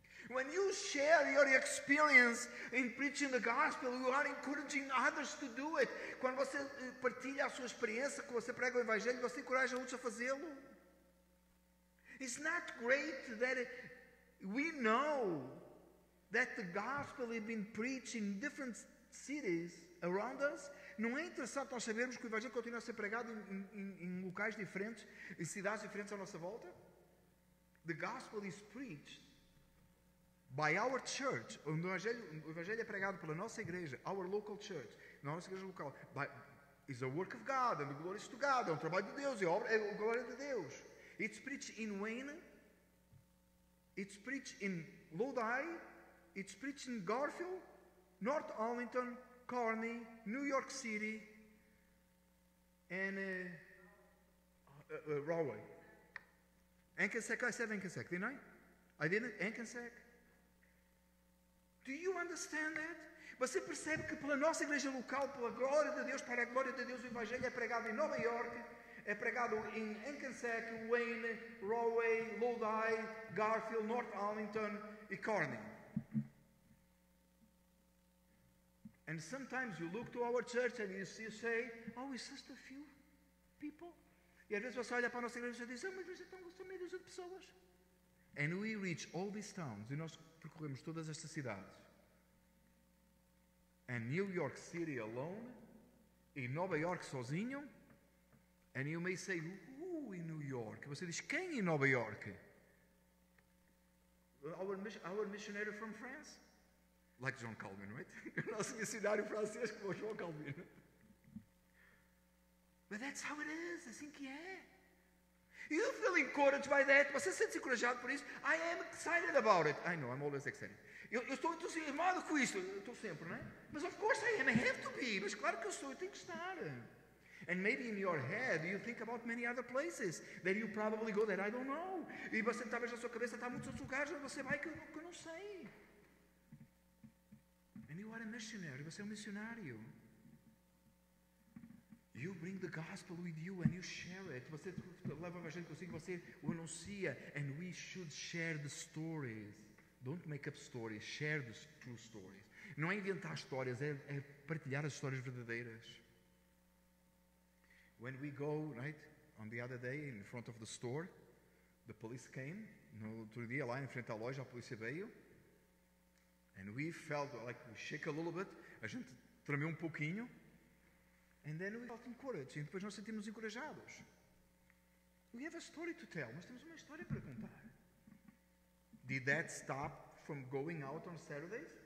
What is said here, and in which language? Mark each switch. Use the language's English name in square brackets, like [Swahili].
[English] When you share your experience in preaching the gospel, you are encouraging others to do it. [Portuguese] Quando você partilha a sua experiência, quando você prega o evangelho, você encoraja outros a fazê-lo. [English] It's not great that we know that the gospel has been preached in different cities around us? [Portuguese] Não é interessante nós sabermos que o evangelho continua a ser pregado em locais diferentes, em cidades diferentes à nossa volta? [English] The gospel is preached by our church, [Portuguese] onde o evangelho é pregado pela nossa igreja, [English] our local church, [Portuguese] na nossa igreja local, [English] is a work of God, and the glory is to God, [Portuguese] é um trabalho de Deus, é a glória de Deus. [English] It's preached in Wayne, it's preached in Lodi, it's preached in Garfield, North Arlington, Kearney, New York City, and Rahway. Hankensack, I said Hankensack, didn't I? I didn't, Hankensack. Do you understand that? [Portuguese] Você percebe que pela nossa igreja local, pela glória de Deus, para a glória de Deus, o evangelho é pregado em Nova York, é pregado em Hankensack, Wayne, Rahway, Lodi, Garfield, North Arlington e Kearney. [English] And sometimes you look to our church and you say, oh, it's just a few people. [Portuguese] E às vezes você olha para a nossa igreja e diz, oh, mas veja, estão só meia dúzia de pessoas. [English] And we reach all these towns, [Portuguese] e nós percorremos todas estas cidades. [English] And New York City alone, [Portuguese] e Nova York sozinho. [English] And you may say, who in New York? [Portuguese] Você diz, quem em Nova York? [English] Our missionary from France? Like John Calvin, right? [Portuguese] O nosso missionário francês como João Calvin. [English] But that's how it is, [Portuguese] assim que é. [English] You feel encouraged by that? [Portuguese] Você se sente encorajado por isso? [English] I am excited about it. I know, I'm always excited. [Portuguese] Eu estou entusiasmado com isso. Eu estou sempre, não é? Mas [English] of course I am. I have to be. [Portuguese] Mas claro que eu sou. Eu tenho que estar. [English] And maybe in your head you think about many other places that you probably go that I don't know. [Portuguese] E você talvez na sua cabeça está muitos outros lugares onde você vai que eu não sei. [English] And you are a missionary. [Portuguese] Você é um missionário. [English] You bring the gospel with you and you share it. [Portuguese] Você leva a gente consigo, você o anuncia. [English] And we should share the stories. Don't make up stories. Share the true stories. [Portuguese] Não é inventar histórias, é partilhar as histórias verdadeiras. [English] When we go, right, on the other day in front of the store, the police came. [Portuguese] No outro dia, lá em frente à loja, a polícia veio. [English] And we felt like we shake a little bit. [Portuguese] A gente tremeu um pouquinho. [English] And then we felt encouraged. [Portuguese] E depois nós sentimos encorajados. [English] We have a story to tell. [Portuguese] Nós temos uma história para contar. [English] Did that stop from going out on Saturdays?